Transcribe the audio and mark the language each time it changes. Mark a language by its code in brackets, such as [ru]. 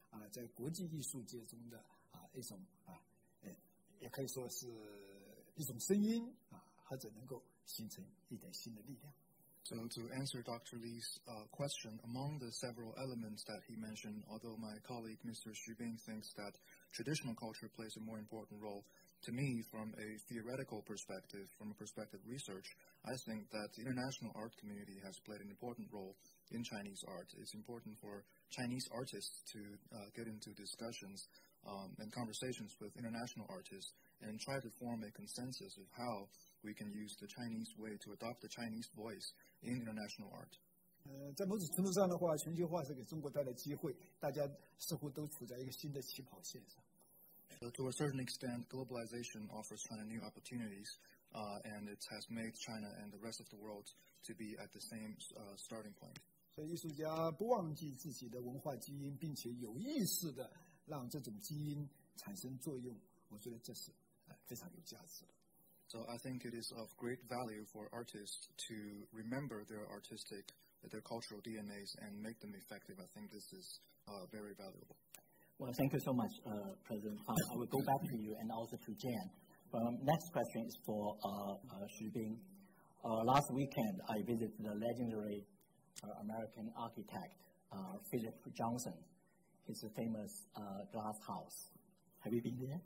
[zh] 在国际艺术界中的一种也可以说是一种声音或者能够形成一点新的力量。 [en] So to answer Dr. Li's question, among the several elements that he mentioned, although my colleague Mr. Xu Bing thinks that traditional culture plays a more important role, to me, from a theoretical perspective, from a perspective of research, I think that the international art community has played an important role in Chinese art. It's important for Chinese artists to get into discussions and conversations with international artists and try to form a consensus of how we can use the Chinese way to adopt the Chinese voice in international art. [zh] 在某种程度上的话，全球化是给中国带来机会，大家似乎都处在一个新的起跑线上。 [en] So to a certain extent, globalization offers China new opportunities, and it has made China and the rest of the world to be at the same starting point. [zh] 所以艺术家不忘记自己的文化基因，并且有意识地让这种基因产生作用，我觉得这是非常有价值的。 [en] So I think it is of great value for artists to remember their artistic, their cultural DNAs and make them effective. I think this is very valuable. Well, thank you so much, President Han. I will go back to you and also to Jan. Next question is for Xu Bing. Last weekend, I visited the legendary American architect, Philip Johnson, his famous glass house. Have you been there?